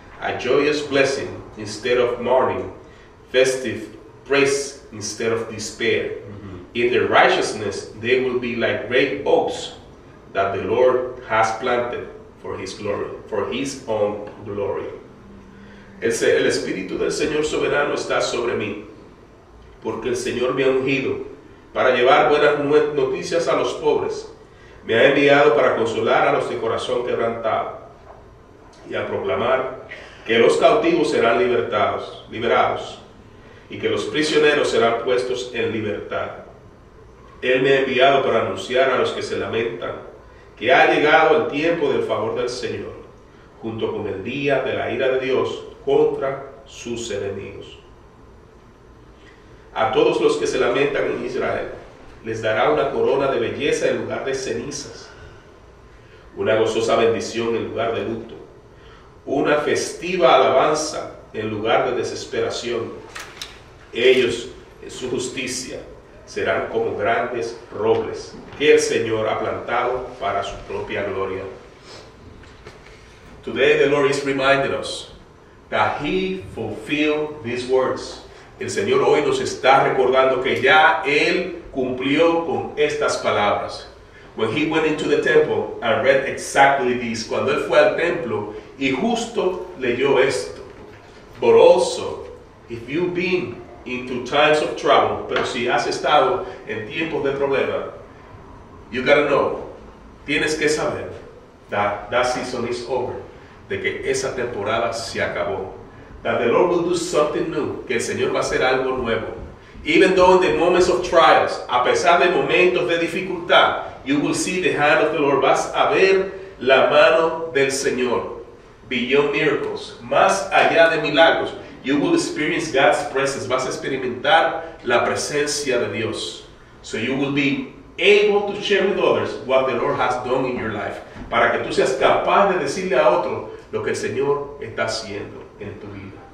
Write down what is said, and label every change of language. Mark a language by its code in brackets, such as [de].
[en] A joyous blessing instead of mourning, festive praise instead of despair. Mm-hmm. In their righteousness, they will be like great oaks that the Lord has planted for his glory, for his own glory. [es] El Espíritu del Señor soberano está sobre mí, porque el Señor me ha ungido para llevar buenas noticias a los pobres. Me ha enviado para consolar a los de corazón quebrantado y a proclamar que los cautivos serán liberados y que los prisioneros serán puestos en libertad. Él me ha enviado para anunciar a los que se lamentan que ha llegado el tiempo del favor del Señor, junto con el día de la ira de Dios contra sus enemigos. A todos los que se lamentan en Israel, les dará una corona de belleza en lugar de cenizas, una gozosa bendición en lugar de luto, una festiva alabanza en lugar de desesperación. Ellos, en su justicia, serán como grandes robles que el Señor ha plantado para su propia gloria. [en] Today the Lord is reminding us that He fulfilled these words. [es] El Señor hoy nos está recordando que ya Él cumplió con estas palabras. [en] When He went into the temple and read exactly this. [es] Cuando Él fue al templo y justo leyó esto. [en] But also, if you've been into times of trouble, [es] pero si has estado en tiempos de problema, [en] you gotta know, [es] tienes que saber [en] that season is over, [es] de que esa temporada se acabó. [en] That the Lord will do something new, [es] que el Señor va a hacer algo nuevo. [en] Even though in the moments of trials, [es] a pesar de momentos de dificultad, [en] you will see the hand of the Lord, [es] vas a ver la mano del Señor. [en] Beyond miracles, [es] más allá de milagros, [en] you will experience God's presence. [es] Vas a experimentar la presencia de Dios. [en] So you will be able to share with others what the Lord has done in your life. [es] Para que tú seas capaz de decirle a otro lo que el Señor está haciendo en tu vida.